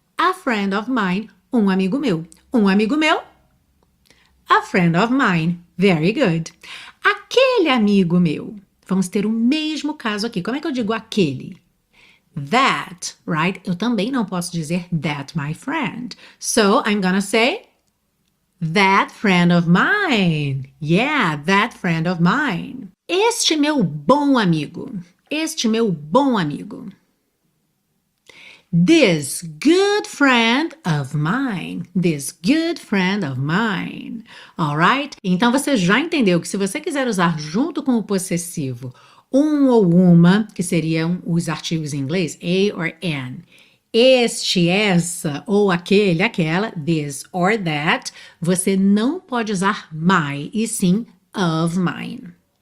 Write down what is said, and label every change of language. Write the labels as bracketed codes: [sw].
[en] A friend of mine, [pt] um amigo meu. Um amigo meu, [en] a friend of mine. Very good. [pt] Aquele amigo meu. Vamos ter o mesmo caso aqui. Como é que eu digo aquele? [en] That, right? [pt] Eu também não posso dizer [en] that, my friend. So, I'm gonna say that friend of mine. Yeah, that friend of mine. [pt] Este meu bom amigo. Este meu bom amigo. [en] This good friend of mine. This good friend of mine. All right? [pt] Então você já entendeu que se você quiser usar junto com o possessivo um ou uma, que seriam os artigos em inglês, a or an, este, essa ou aquele, aquela, this or that, você não pode usar my e sim of mine.